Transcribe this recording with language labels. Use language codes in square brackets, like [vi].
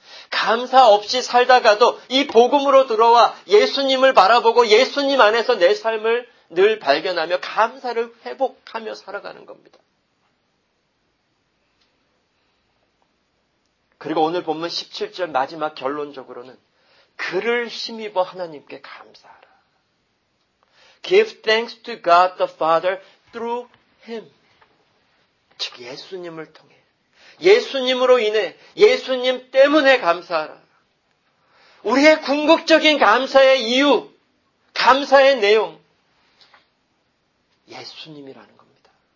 [ko] 감사 없이 살다가도 이 복음으로 들어와 예수님을 바라보고 예수님 안에서 내 삶을 늘 발견하며 감사를 회복하며 살아가는 겁니다. 그리고 오늘 본문 17절 마지막 결론적으로는 그를 힘입어 하나님께 감사하라. [en] Give thanks to God the Father through Him. [ko] 즉 예수님을 통해 예수님으로 인해 예수님 때문에 감사하라. 우리의 궁극적인 감사의 이유, 감사의 내용 예수님이라는 겁니다.